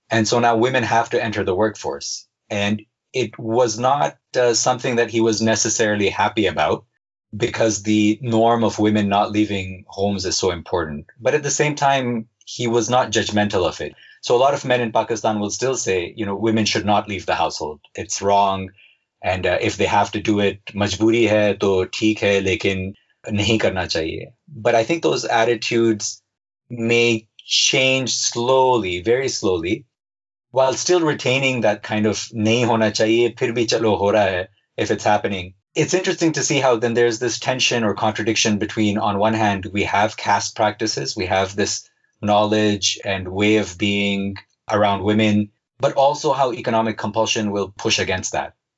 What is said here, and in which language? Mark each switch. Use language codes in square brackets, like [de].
[en] And so now women have to enter the workforce. And it was not something that he was necessarily happy about, because the norm of women not leaving homes is so important. But at the same time, he was not judgmental of it. So a lot of men in Pakistan will still say, you know, women should not leave the household. It's wrong. And if they have to do it, [ur] مجبوری ہے، تو ٹھیک ہے، لیکن نہیں کرنا چاہیے۔ [en] But I think those attitudes may change slowly, very slowly, while still retaining that kind of [ur] نہیں ہونا چاہیے، پھر بھی چلو ہو رہا ہے، [en] if it's happening. It's interesting to see how then there's this tension or contradiction between, on one hand, we have caste practices, we have this knowledge and way of being around women, but also how economic compulsion will push against that.